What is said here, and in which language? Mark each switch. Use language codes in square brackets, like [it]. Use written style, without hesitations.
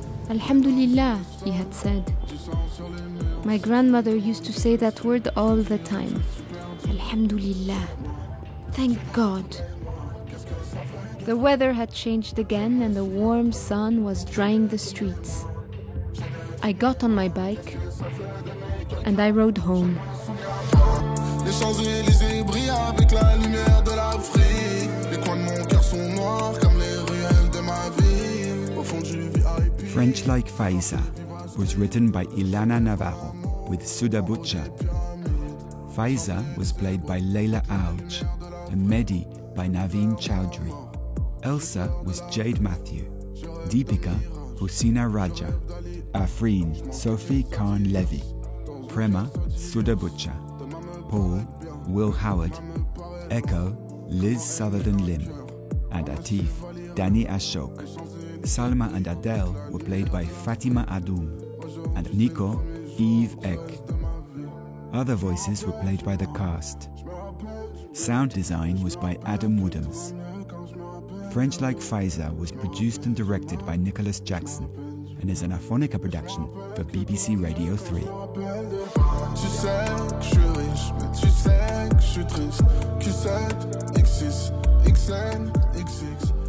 [en] Alhamdulillah, he had said. My grandmother used to say that word all the time. Alhamdulillah. Thank God. The weather had changed again and the warm sun was drying the streets. I got on my bike and I rode home. [fr] Les Champs-Élysées brillent avec la lumière de l'Afrique. Les coins de mon cœur sont noirs comme les ruelles de ma ville. Au fond du VIP. [en] French Like Faiza was written by Ilana Navarro with Suda Butcher. Faiza was played by Leila Auj and Mehdi by Naveen Chowdhury. Elsa was Jade Matthew, Deepika Husina Raja, Afrin Sophie Khan Levy, Prema Suda Butcher, Paul Will Howard, Echo Liz Sutherland Lim, and Atif Danny Ashok. Salma and Adele were played by Fatima Adoum, and Nico Eve Ek. Other voices were played by the cast. Sound design was by Adam Woodhams. French Like Faiza was produced and directed by Nicholas Jackson and is an Afonica production for BBC Radio 3. [fr] Tu sais que je suis riche, mais tu sais que je suis triste. Q7, X6, XN, XX.